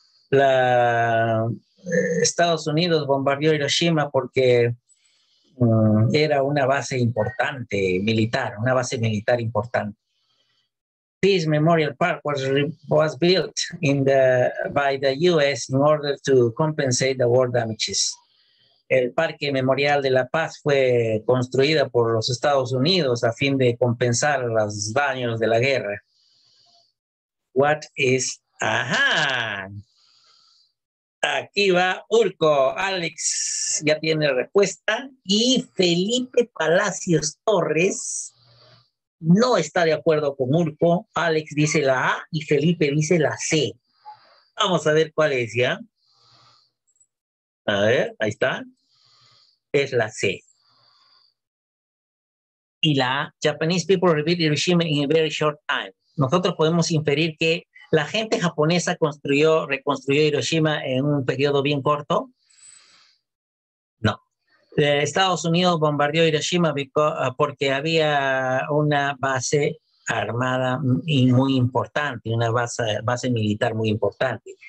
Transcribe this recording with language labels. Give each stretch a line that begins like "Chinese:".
Spanish: Estados Unidos bombardeó Hiroshima porque era una base importante militar, una base militar importante.
English: Peace Memorial Park was built by the U.S. in order to compensate the war damages.
Spanish: El Parque Memorial de la Paz fue construido por los Estados Unidos a fin de compensar los daños de la guerra.
English: What is...
Spanish: ¡Ajá! Aquí va Urco. Alex ya tiene respuesta. Y Felipe Palacios Torres no está de acuerdo con Urco. Alex dice la A y Felipe dice la C. Vamos a ver cuál es, ¿ya? A ver, ahí está. Es la C. Y la A.
English: Japanese people rebuilt Hiroshima in a very short time.
Spanish: Nosotros podemos inferir que la gente japonesa reconstruyó Hiroshima en un periodo bien corto. No. Estados Unidos bombardeó Hiroshima porque había una base armada y muy importante, una base militar muy importante.